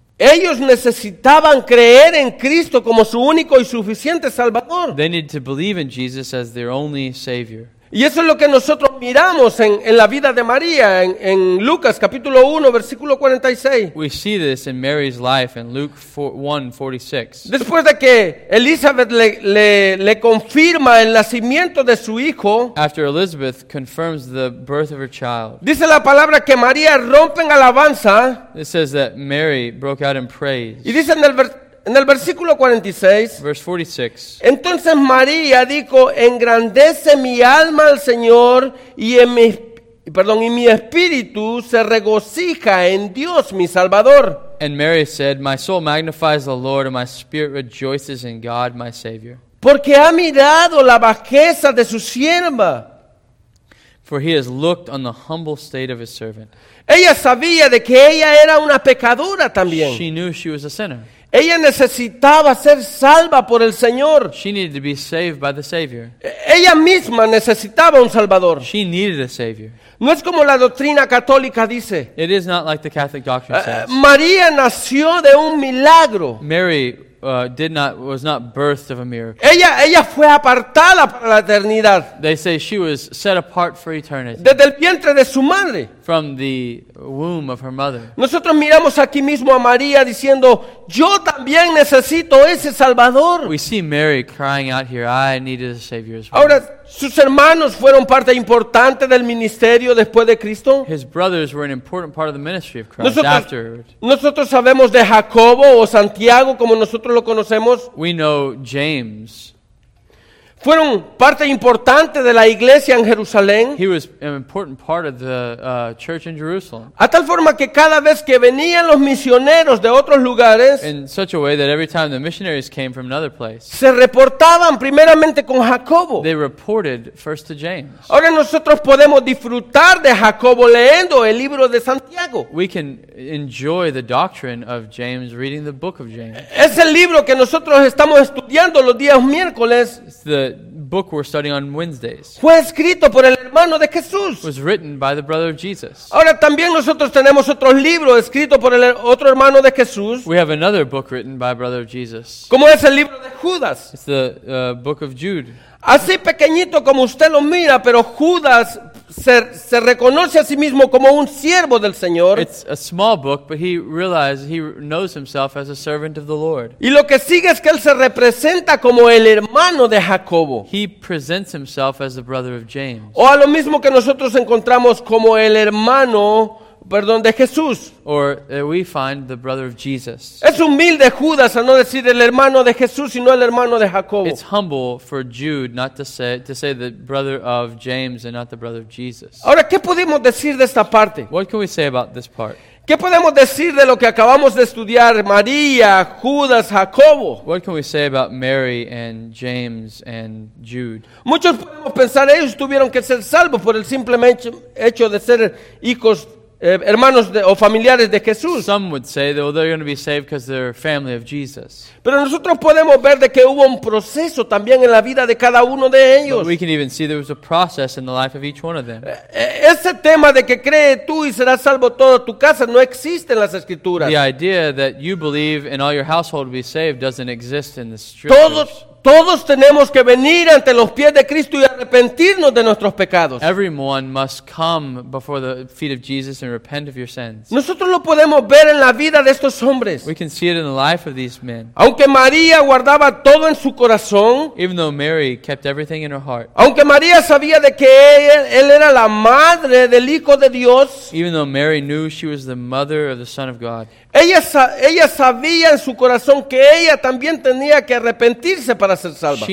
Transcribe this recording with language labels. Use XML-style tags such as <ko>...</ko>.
<es>Ellos necesitaban creer en Cristo como su único y suficiente Salvador.</es> <en>They need to believe in Jesus as their only Savior.</en> <es>Y eso es lo que nosotros miramos en la vida de María en Lucas capítulo 1 versículo 46.</es> <en>We see this in Mary's life in Luke 1:46.</en> <es>Después de que Elizabeth le confirma el nacimiento de su hijo,</es> <en>after Elizabeth confirms the birth of her child.</en> <es>Dice la palabra que María rompe en alabanza.</es> <en>It says that Mary broke out in praise.</en> <es>Y dice en el versículo 46,</es> <en>verse 46.</en> <es>Entonces María dijo: engrandece mi alma al Señor y mi espíritu se regocija en Dios mi Salvador.</es> <en>And Mary said, my soul magnifies the Lord, and my spirit rejoices in God my Savior.</en> <es>Porque ha mirado la bajeza de su sierva.</es> <en>For he has looked on the humble state of his servant.</en> <es>Ella sabía de que ella era una pecadora también.</es> <en>She knew she was a sinner.</en> <es>Ella necesitaba ser salva por el Señor.</es> <en>She needed to be saved by the Savior.</en> <es>Ella misma necesitaba un Salvador.</es> <en>She needed a Savior.</en> <es>No es como la doctrina católica dice.</es> <en>It is not like the Catholic doctrine says.</en> <es>María nació de un milagro.</es> <en>Mary was not birthed of a miracle.</en> <es>Ella fue apartada para la eternidad.</es> <en>They say she was set apart for eternity.</en> <es>Desde el vientre de su madre.</es> <en>From the womb of her mother.</en> <es>Nosotros miramos aquí mismo a María diciendo, yo también necesito ese Salvador.</es> <en>We see Mary crying out here, I needed a Savior as well.</en> <es>Ahora, sus hermanos fueron parte importante del ministerio después de Cristo.</es> <en>His brothers were an important part of the ministry of Christ after.</en> <es>Nosotros sabemos de Jacobo o Santiago como nosotros lo conocemos.</es> <en>We know James.</en> <es>Fueron parte importante de la iglesia en Jerusalén.</es> <en>He was an important part of the church in Jerusalem.</en> <es>A tal forma que cada vez que venían los misioneros de otros lugares,</es> <en>in such a way that every time the missionaries came from another place,</en> <es>se reportaban primeramente con Jacobo.</es> <en>They reported first to James.</en> <es>Ahora nosotros podemos disfrutar de Jacobo leyendo el libro de Santiago.</es> <en>We can enjoy the doctrine of James reading the book of James.</en> <es>Es el libro que nosotros estamos estudiando los días miércoles.</es> <en>The book we're studying on Wednesdays.</en> <es>Fue escrito por el hermano de Jesús.</es> <en>Was written by the brother of Jesus.</en> <es>Ahora también nosotros tenemos otro libro escrito por el otro hermano de Jesús.</es> <en>We have another book written by a brother of Jesus.</en> <es>Como es el libro de Judas.</es> <en>It's the book of Jude.</en> <es>Así pequeñito como usted lo mira, pero Judas se reconoce a sí mismo como un siervo del Señor.</es> <en>It's a small book, but he realizes he knows himself as a servant of the Lord.</en> <es>Y lo que sigue es que él se representa como el hermano de Jacobo.</es> <en>He presents himself as the brother of James.</en> <es>O a lo mismo que nosotros encontramos como el hermano, perdón, de Jesús.</es> <en>Or we find the brother of Jesus.</en> <es>Es humilde Judas, a no decir el hermano de Jesús, sino el hermano de Jacobo.</es> <en>It's humble for Jude not to say the brother of James and not the brother of Jesus.</en> <es>Ahora, ¿qué podemos decir de esta parte?</es> <en>What can we say about this part?</en> <es>¿Qué podemos decir de lo que acabamos de estudiar, María, Judas, Jacobo?</es> <en>What can we say about Mary and James and Jude?</en> <es>Muchos podemos pensar ellos tuvieron que ser salvos por el simple hecho de ser hijos hermanos de, o familiares de Jesús.</es> <en>Some would say that, well, they're going to be saved because they're family of Jesus.</en> <es>Pero nosotros podemos ver de que hubo un proceso también en la vida de cada uno de ellos.</es> <en>But we can even see there was a process in the life of each one of them.</en> <es>Ese tema de que cree tú y serás salvo toda tu casa no existe en las Escrituras.</es> <en>The idea that you believe and all your household will be saved doesn't exist in the Scriptures.</en> <es>Todos tenemos que venir ante los pies de Cristo y arrepentirnos de nuestros pecados.</es> <en>Everyone must come before the feet of Jesus and repent of your sins.</en> <es>Nosotros lo podemos ver en la vida de estos hombres.</es> <en>We can see it in the life of these men.</en> <es>Aunque María guardaba todo en su corazón,</es> <en>even though Mary kept everything in her heart.</en> <es>Aunque María sabía de que él era la madre del Hijo de Dios,</es> <en>even though Mary knew she was the mother of the Son of God.</en> <es>Ella sabía en su corazón que ella también tenía que arrepentirse para ser salva.</es>